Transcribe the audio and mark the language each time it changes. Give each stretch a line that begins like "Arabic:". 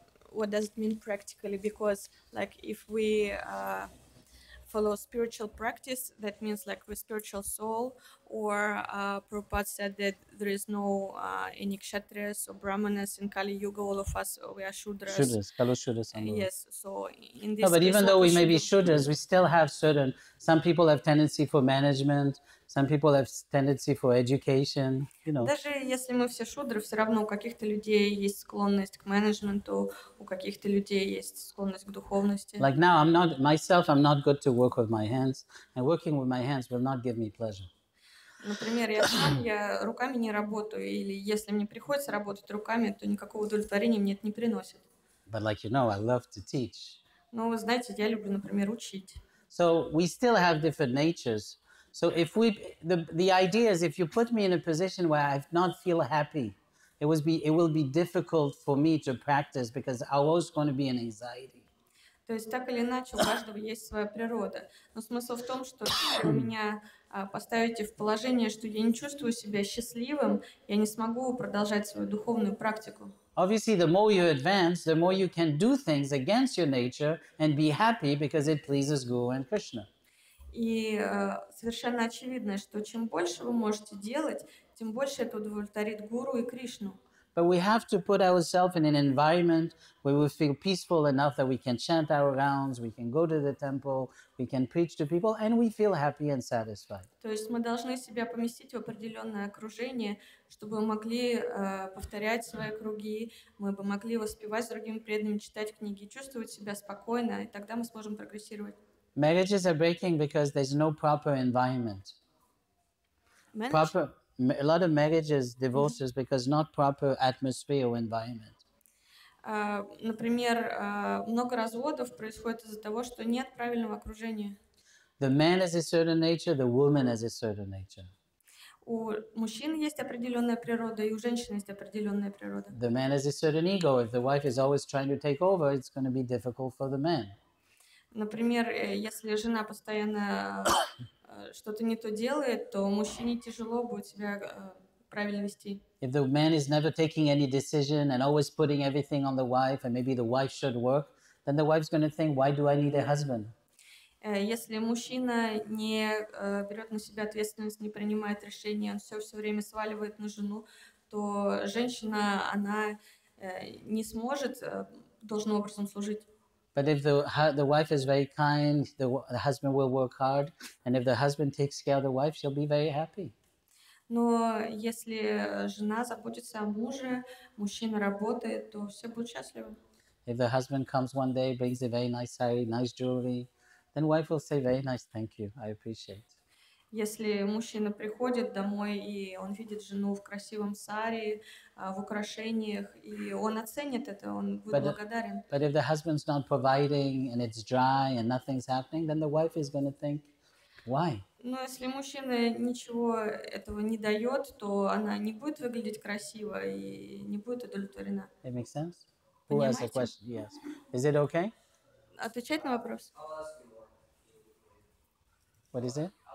English: What does it mean practically? Because like if we follow spiritual practice, that means like with spiritual soul, or Prabhupada said that there is no any kshatriyas or brahmanas in Kali Yuga, all of us, we are shudras. Shudras, Kalu shudras. Yes, so in this case, but even though we may be shudras, we still have certain, some people have tendency for management, Some people have tendency for education, you know.
Russian: Даже если мы все шудры, все равно у каких-то людей есть склонность к менеджменту, у каких-то людей есть склонность к духовности.
English: Like now, I'm not myself. I'm not good to work with my hands, and working with my hands will not give me pleasure.
Russian: Например, я сам я руками не работаю, или если мне приходится работать руками, то никакого удовлетворения мне это не приносит.
English: But like you know, I love to teach.
Russian: Ну, вы знаете, я люблю, например, учить.
English: So we still have different natures. So if we the idea is if you put me in a position where I not feel happy, it will be difficult for me to practice because I was going to be in anxiety.
Russian: То есть так или иначе у каждого есть своя природа. Но смысл в том, что если меня поставите в положение, что я не чувствую себя счастливым, я не смогу продолжать свою духовную практику.
English: Obviously, the more you advance, the more you can do things against your nature and be happy because it pleases Guru and Krishna.
Russian: И совершенно очевидно, что чем больше вы можете делать, тем больше это удовлетворит Гуру и Кришну.
English: But we have to put ourselves in an environment where we feel peaceful enough that we can chant our rounds, we can go to the temple, we can preach to people, and we feel happy and satisfied.
Russian: То есть мы должны себя поместить в определенное окружение, чтобы мы могли повторять свои круги, мы бы могли воспевать с другими преданными, читать книги, чувствовать себя спокойно, и тогда мы сможем прогрессировать.
English: Marriages are breaking because there's no proper environment. A lot of marriages, divorces, mm-hmm. because not proper atmosphere or environment.
Russian: Например, много разводов происходит из-за того, что нет правильного окружения.
English: The man has a certain nature, the woman has a certain nature.
Russian: У мужчин есть определенная природа, и у женщин есть определенная природа.
English: The man has a certain ego. If the wife is always trying to take over, it's going to be difficult for the man.
Russian: Например, если жена постоянно что-то не то делает, то мужчине тяжело будет себя правильно вести.
English: If the man is never taking any decision and always putting everything on the wife, and maybe the wife should work, then the wife's going to think, why do I need a husband?
Russian: Если мужчина не берет на себя ответственность, не принимает решения, он все время сваливает на жену, то женщина, она не сможет должным образом служить.
English: But if the wife is very kind, the husband will work hard, and if the husband takes care of the wife, she'll be very happy.
Russian: Но если жена заботится о муже, мужчина работает, то все будет счастливо.
English: If the husband comes one day, brings a very nice sari, nice jewelry, then wife will say very nice, thank you, I appreciate.
Russian: Если мужчина приходит домой и он видит жену в красивом сари, в украшениях, и он оценит это, он будет благодарен.
English: But if the husband's not providing and it's dry and nothing's happening, then the wife is going to think, why?
Russian: Но если мужчина ничего этого не дает, то она не будет выглядеть красиво и не будет удовлетворена.
English: It makes sense. Who has a question? Yes. Is it okay?
Russian: Отвечать на вопрос.
English: What is it?